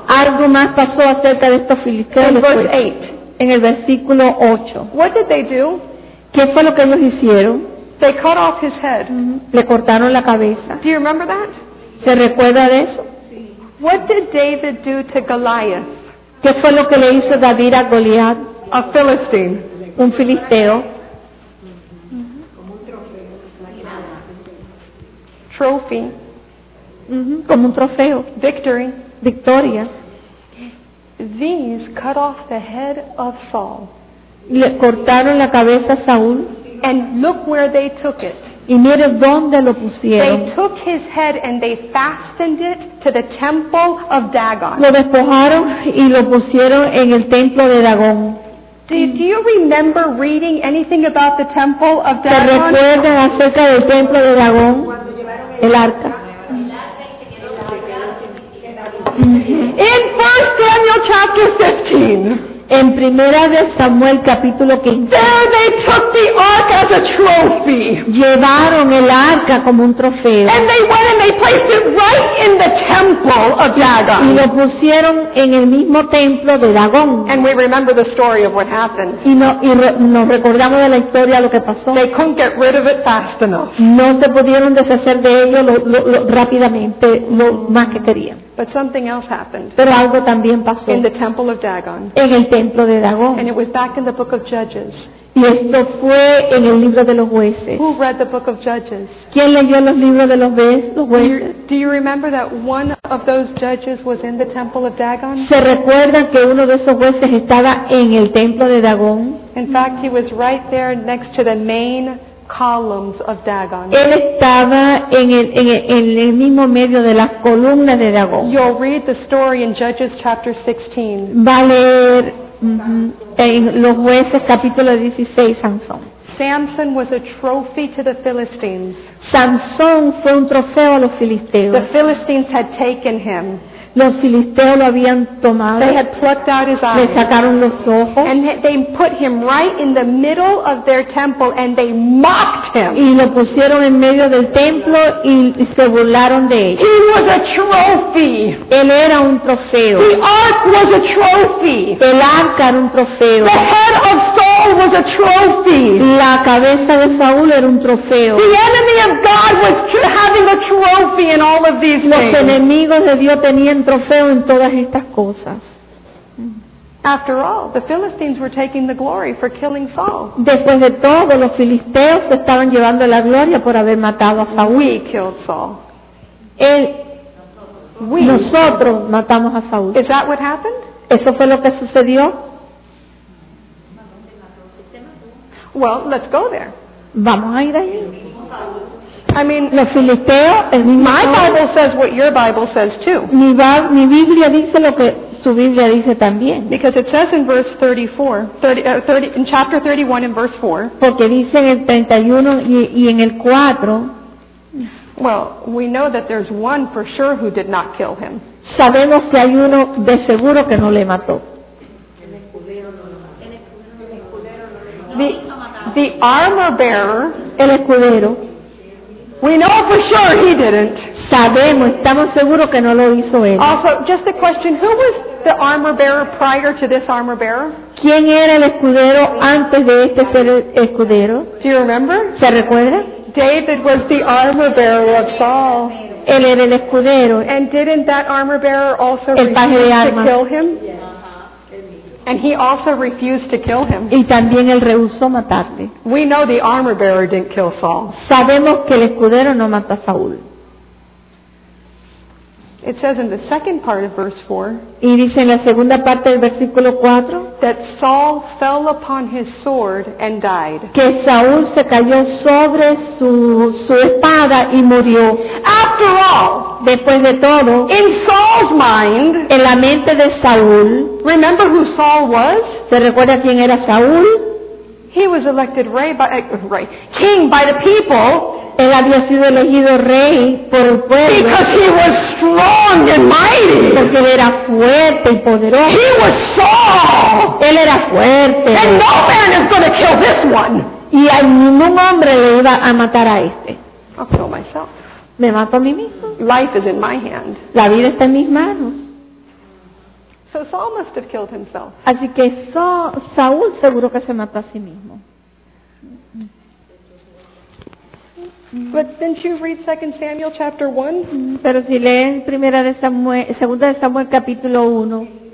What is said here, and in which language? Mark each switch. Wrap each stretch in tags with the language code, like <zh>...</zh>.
<es>Algo más pasó acerca de estos filisteos.</es> <en>In verse 8.</en> <es>En el versículo 8.</es> <en>What did they do?</en> <es>¿Qué fue lo que ellos hicieron?</es> <en>They cut off his head.</en> <es>Le cortaron la cabeza.</es> <en>Do you remember that?</en> <es>¿Se recuerda de eso?</es> <en>What did David do to Goliath?</en> <es>¿Qué fue lo que le hizo David a Goliath?</es> <en>A Philistine.</en> <es>Un filisteo.</es> <en>Trophy.</en> <es>Como un trofeo.</es> <en>Victory.</en> <es>Victoria.</es> <en>These cut off the head of Saul.</en> <es>Le cortaron la cabeza a Saúl.</es> <en>And look where they took it.</en> <es>Y mire dónde lo pusieron.</es> <en>They took his head and they fastened it to the temple of Dagon.</en> <es>Lo despojaron y lo pusieron en el templo de Dagón.</es> <en>Do you remember reading anything about the temple of Dagon?</en> <es>¿Se recuerdan acerca del templo de Dagón? El arca.</es> <en>In 1 Samuel chapter 15.</en> <es>En Primera de Samuel capítulo 15.</es> <en>There they took the ark as a trophy.</en> <es>Llevaron el arca como un trofeo.</es> <en>And they went and they placed it right in the temple of Dagon.</en> <es>Y lo pusieron en el mismo templo de Dagón.</es> <en>And we remember the story of what happened.</en> <es>Y nos recordamos de la historia lo que pasó.</es> <en>They couldn't get rid of it fast enough.</en> <es>No se pudieron deshacer de ello lo rápidamente, lo más que querían.</es> <en>But something else happened.</en> <es>Pero algo también pasó.</es> <en>In the temple of Dagon.</en> <es>En el templo de Dagón.</es> <en>And it was back in the book of Judges.</en> <es>Y esto fue en el libro de los jueces.</es> <en>Who read the book of Judges?</en> <es>¿Quién leyó los libros de los jueces?</es> <en>Do you remember that one of those judges was in the temple of Dagon?</en> <es>¿Se recuerdan que uno de esos jueces estaba en el templo de Dagón?</es> <en>In fact, he was right there next to the main columns of Dagon.</en> <es>Él estaba en el mismo medio de las columnas de Dagón.</es> <en>You'll read the story in Judges chapter 16.</en> <es>Va a leer en los jueces capítulo 16, Sansón.</es> <en>Samson was a trophy to the Philistines.</en> <es>Sansón fue un trofeo a los filisteos.</es> <en>The Philistines had taken him.</en> <es>Los filisteos lo habían tomado.</es> <en>They had plucked out his eyes.</en> <es>Le sacaron los ojos.</es> <en>And they put him right in the middle of their temple and they mocked him.</en> <es>Y lo pusieron en medio del templo y se burlaron de él.</es> <en>He was a trophy.</en> <es>Él era un trofeo.</es> <en>The ark was a trophy.</en> <es>El arca era un trofeo.</es> <en>The head of Saul was a trophy.</en> <es>La cabeza de Saúl era un trofeo.</es> <en>The enemy of God was having a trophy in all of these things.</en> <es>Los enemigos de Dios tenían en trofeo en todas estas cosas.</es> <en>After all, the Philistines were taking the glory for killing Saul.</en> <es>Después de todo, los filisteos estaban llevando la gloria por haber matado a Saúl.</es> <en>We killed Saul.</en> <es>Nosotros matamos a Saúl.</es> <en>Is that what happened?</en> <es>¿Eso fue lo que sucedió?</es> <en>Well, let's go there.</en> <es>Vamos a ir ahí.</es> <en>I mean,</en> <es>los filisteos,</es> <en>my Bible says what your Bible says too.</en> <es>Mi Biblia dice lo que su Biblia dice también.</es> <en>Because it says in verse 34, in chapter 31 in verse 4.</en> <es>Porque dice en el 31 y en el 4.</es> <en>Well, we know that there's one for sure who did not kill him.</en> <es>Sabemos que hay uno de seguro que no le mató.</es> <en>The armor bearer,</en> <es>el escudero.</es> <en>We know for sure he didn't.</en> <es>Sabemos, estamos seguros que no lo hizo él.</es> <en>Also, just a question, who was the armor bearer prior to this armor bearer?</en> <es>¿Quién era el escudero antes de este ser escudero?</es> <en>Do you remember?</en> <es>¿Se recuerda?</es> <en>David was the armor bearer of Saul.</en> <es>Él era el escudero.</es> <en>And didn't that armor bearer also refuse to kill him? And he also refused to kill him.</en> <es>Y también él rehusó matarle.</es> <en>We know the armor bearer didn't kill Saul.</en> <es>Sabemos que el escudero no mata a Saúl.</es> <en>It says in the second part of verse 4.</en> <es>Y dice en la segunda parte del versículo 4.</es> <en>That Saul fell upon his sword and died.</en> <es>Que Saúl se cayó sobre su espada y murió.</es> <en>After all.</en> <es>Después de todo.</es> <en>In Saul's mind.</en> <es>En la mente de Saúl.</es> <en>Remember who Saul was?</en> <es>¿Se recuerda quién era Saúl?</es> <en>He was elected king by the people.</en> <es>Él había sido elegido rey por el pueblo.</es> <en>Because he was strong and mighty.</en> <es>Porque él era fuerte y poderoso.</es> <en>He was Saul.</en> <es>Él era fuerte.</es> <en>And no man is going to kill this one.</en> <es>Y a ningún hombre le iba a matar a este.</es> <en>I'll kill myself.</en> <es>Me mato a mí mismo.</es> <en>Life is in my hand.</en> <es>La vida está en mis manos.</es> <en>So Saul must have killed himself.</en> <es>Así que Saúl seguro que se mató a sí mismo.</es> <en>But didn't you read 2 Samuel chapter 1?</en> <es>Pero si leen primera de Samuel, segunda de Samuel capítulo 1.</es>